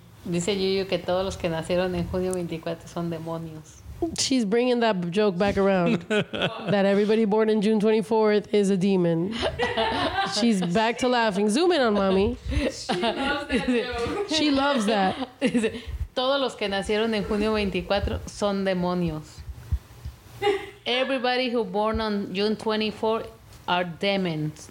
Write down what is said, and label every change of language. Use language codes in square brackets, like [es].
[es] Dice Yuyu que todos los que nacieron en junio 24 son demonios. [en] She's bringing that joke back around. That everybody born in June 24th is a demon. She's back to laughing. Zoom in on mommy. She loves that joke. She loves that. [es] Todos los que nacieron en junio 24 son demonios. [en] Everybody who born on June 24th are demons.